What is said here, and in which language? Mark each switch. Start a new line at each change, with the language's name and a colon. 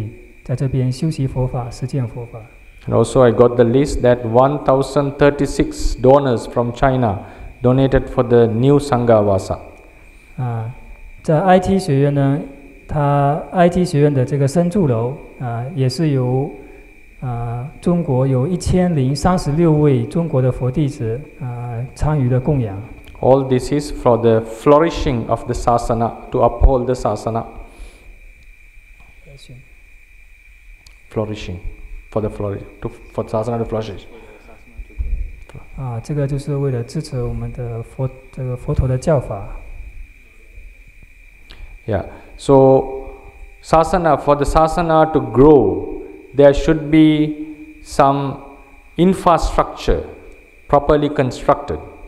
Chinese: 我们这个IT学院的很多的僧众呢，也会跟解脱林有这个以后有很好的交往，双方都可以在这边修习佛法、实践佛法。And
English: also I got the list that 1036 donors from China donated for the new Sangha Vasa.
Chinese: 在IT学院呢，他IT学院的这个僧住楼也是由 中国有1036位中国的佛弟子参与了供养。
English: All this is for the flourishing of the sasana, to uphold the sasana. Flourishing, for the flourish, to for sasana to flourish.
Chinese: 这个就是为了支持我们的佛陀的教法。
English: Yeah, so sasana, for the sasana to grow, there should be some infrastructure properly constructed.